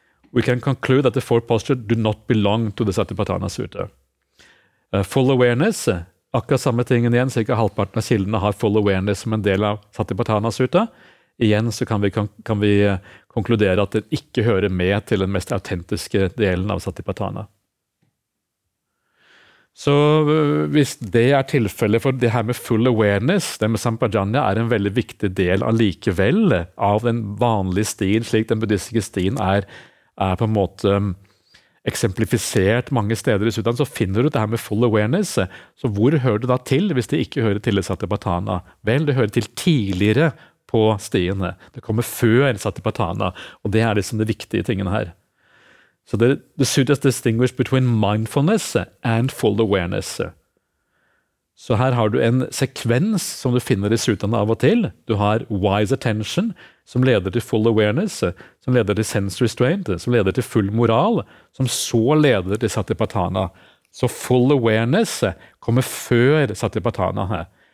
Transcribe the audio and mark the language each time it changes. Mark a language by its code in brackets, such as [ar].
[en] We can conclude that the four postures do not belong to the Satipatthana Sutta. [no] Full awareness, akkurat samme ting igjen, cirka halvparten av kildene har full awareness som en del av Satipatthana Sutta. Igjen så kan vi konkludere at det ikke hører med til den mest autentiske delen av Satipatthana. Så hvis det tilfellet, for det her med full awareness, det med Sampajanya en veldig viktig del allikevel av den vanlige stien, slik den buddhistiske stien på en måte eksemplifisert mange steder i Sutan, så finner du det her med full awareness. Så hvor hører det da til hvis det ikke hører til Satipatthana? Vel, det hører til tidligere på stien. Det kommer før Satipatthana, og det liksom det viktige tingene her. [en] So the sutta distinguish between mindfulness and full awareness. [no] Så her har du en sekvens som du finner i suttene av og til. Du har wise attention, som leder til full awareness, som leder til sense restraint, som leder til full moral, som så leder til Satipatthana. Så full awareness kommer før Satipatthana her.